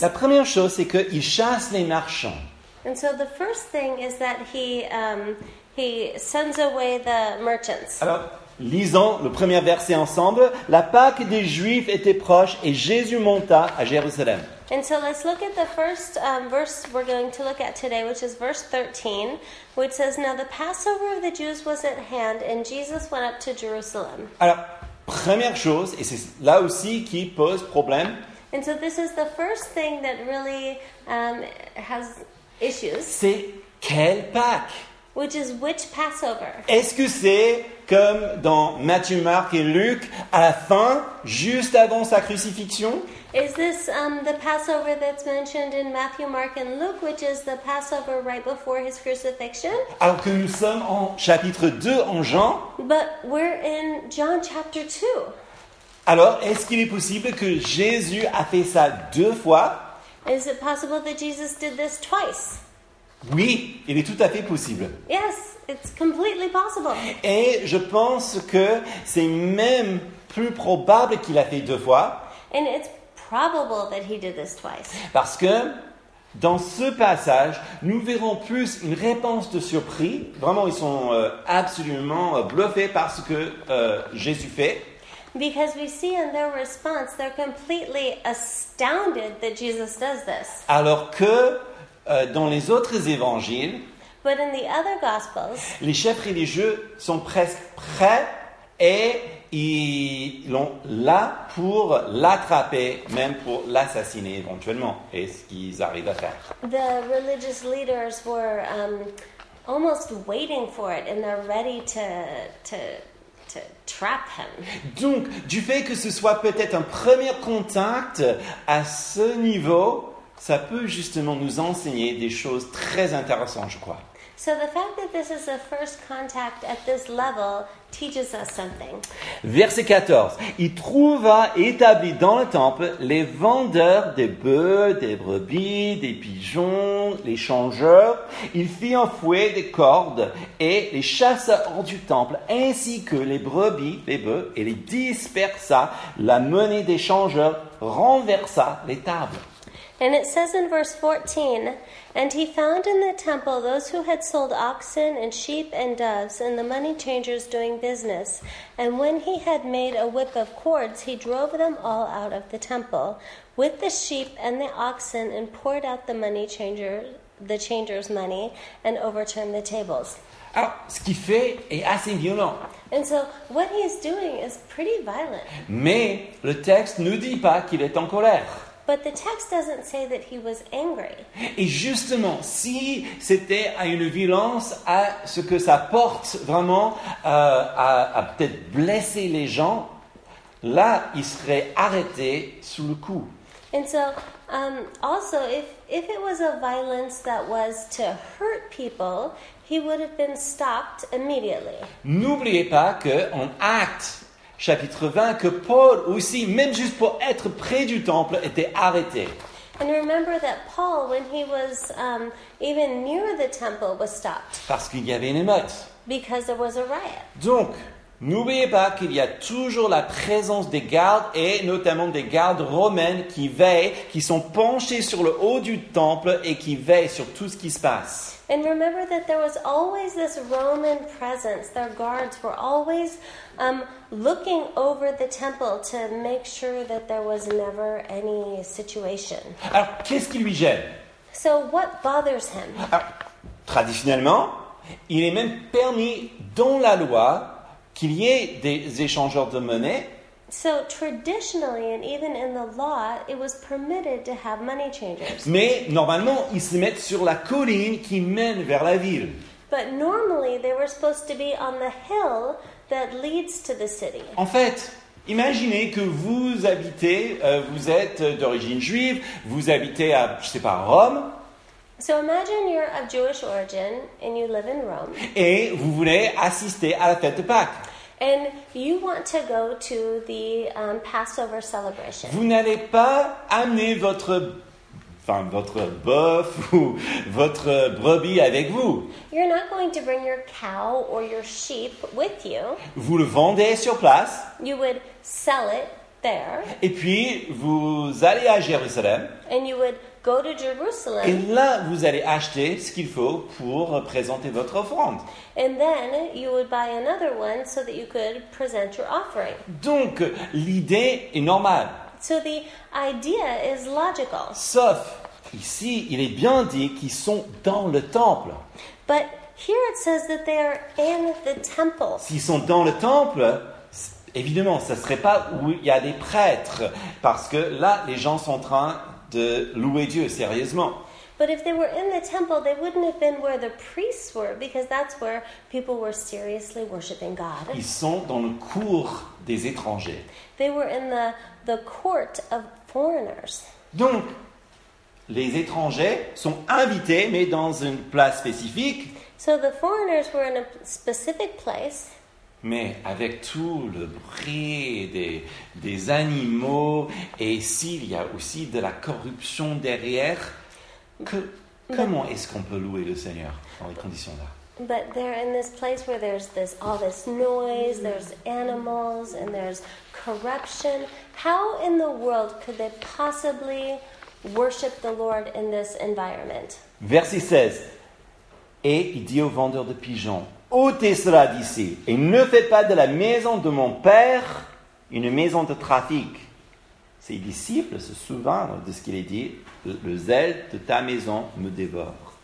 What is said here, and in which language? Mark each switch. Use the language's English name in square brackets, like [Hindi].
[French] La première chose, c'est qu'il chasse les marchands. [English] And so the first thing is that he sends away the merchants. [French] Alors, lisons le premier verset ensemble. La Pâque des Juifs était proche et Jésus monta à Jérusalem. [English] And so let's look at the first verse we're going to look at today, which is verse 13, which says, Now the Passover of the Jews was at hand, and Jesus went up to Jerusalem. [French] Alors, première chose, et c'est là aussi qui pose problème. [English] And so this is the first thing that really has issues. [French] C'est quelle Pâque? [English] Which is which Passover? [French] Est-ce que c'est comme dans Matthieu, Marc et Luc, à la fin, juste avant sa crucifixion? [English] Is this the Passover that's mentioned in Matthew, Mark, and Luke, which is the Passover right before his crucifixion? [French] Alors que nous sommes en chapitre 2 en Jean. [English] But we're in John chapter 2. [French] Alors, est-ce qu'il est possible que Jésus a fait ça deux fois? [English] Is it possible that Jesus did this twice? [French] Oui, il est tout à fait possible. [English] Yes, it's completely possible. [French] Et je pense que c'est même plus probable qu'il a fait deux fois. [English] And it's probable that he did this twice. [French] Parce que dans ce passage, nous verrons plus une réponse de surprise. Vraiment, ils sont absolument bluffés par ce que Jésus fait. [English] Because we see in their response, they're completely astounded that Jesus does this. [French] Alors que dans les autres évangiles, [English] but in the other gospels, [French] les chefs religieux sont presque prêts et ils l'ont là pour l'attraper, même pour l'assassiner éventuellement. Et ce qu'ils arrivent à faire. [English] The religious leaders were almost waiting for it, and they're ready to trap him. [French] Donc, du fait que ce soit peut-être un premier contact à ce niveau, ça peut justement nous enseigner des choses très intéressantes, je crois. [English] So the fact that this is a first contact at this level teaches us something. [French] Verset 14. Il trouva établi dans le temple les vendeurs des bœufs, des brebis, des pigeons, les changeurs. Il fit un fouet des cordes et les chasseurs du temple ainsi que les brebis, les bœufs et les dispersa. La monnaie des changeurs renversa les tables. [English] And it says in verse 14, And he found in the temple those who had sold oxen and sheep and doves and the money changers doing business. And when he had made a whip of cords, he drove them all out of the temple with the sheep and the oxen and poured out the money changer, the changers' money and overturned the tables. [French] Alors, ce qu'il fait est assez violent. [English] And so, what he is doing is pretty violent. [French] Mais le texte ne dit pas qu'il est en colère. [English] But the text doesn't say that he was angry. [French] Et justement, si c'était à une violence à ce que ça porte vraiment à peut-être blesser les gens, là, ils seraient arrêtés sous le coup. [English] And so, also, if it was a violence that was to hurt people, he would have been stopped immediately. [French] N'oubliez pas que en Actes chapitre 20, que Paul aussi, même juste pour être près du temple, était arrêté. [English] And remember that Paul, when he was even near the temple, was stopped. [French] Parce qu'il y avait une émeute. [English] Because there was a riot. [French] Donc, n'oubliez pas qu'il y a toujours la présence des gardes et notamment des gardes romaines qui veillent, qui sont penchés sur le haut du temple et qui veillent sur tout ce qui se passe. [English] And remember that there was always this Roman presence. Their guards were always looking over the temple to make sure that there was never any situation. [French] Alors, qu'est-ce qui lui gêne? [English] So, what bothers him? [French] Alors, traditionnellement, il est même permis dans la loi qu'il y ait des échangeurs de monnaie. [English] So, traditionally, and even in the law, it was permitted to have money changers. [French] Mais, normalement, ils se mettent sur la colline qui mène vers la ville. [English] But normally, they were supposed to be on the hill that leads to the city. [French] En fait, imaginez que vous habitez, vous êtes d'origine juive, vous habitez à, je sais pas, Rome. [English] So imagine you're of Jewish origin and you live in Rome. [French] Et vous voulez assister à la fête de Pâques. [English] And you want to go to the Passover celebration. [French] Vous n'allez pas amener votre, enfin, votre bœuf ou votre brebis avec vous. [English] You're not going to bring your cow or your sheep with you. [French] Vous le vendez sur place. [English] You would sell it there. [French] Et puis vous allez à Jérusalem. [English] And you would go to Jerusalem. [French] Et là, vous allez acheter ce qu'il faut pour présenter votre offrande. [English] And then you would buy another one so that you could present your offering. [French] Donc, l'idée est normale. [English] So the idea is logical. [French] Sauf, ici, il est bien dit qu'ils sont dans le temple. [English] But here it says that they are in the temple. [French] S'ils sont dans le temple, évidemment, ça ne serait pas où il y a des prêtres. Parce que là, les gens sont en train de louer Dieu, sérieusement. [English] But if they were in the temple, they wouldn't have been where the priests were, because that's where people were seriously worshiping God. [French] Ils sont dans le cour des étrangers. [English] They were in the court of foreigners. [French] Donc, les étrangers sont invités, mais dans une place spécifique. [English] So the foreigners were in a specific place. [French] Mais avec tout le bruit des animaux, et s'il y a aussi de la corruption derrière, comment est-ce qu'on peut louer le Seigneur dans les conditions-là? [English] But they're in this place where there's this, all this noise, there's animals, and there's corruption. How in the world could they possibly worship the Lord in this environment? [French] Verset 16. Et il dit aux vendeurs de pigeons, ôtez cela d'ici et ne faites pas de la maison de mon père une maison de trafic. Ses disciples se souvinrent de ce qu'il est dit, le zèle de ta maison me dévore.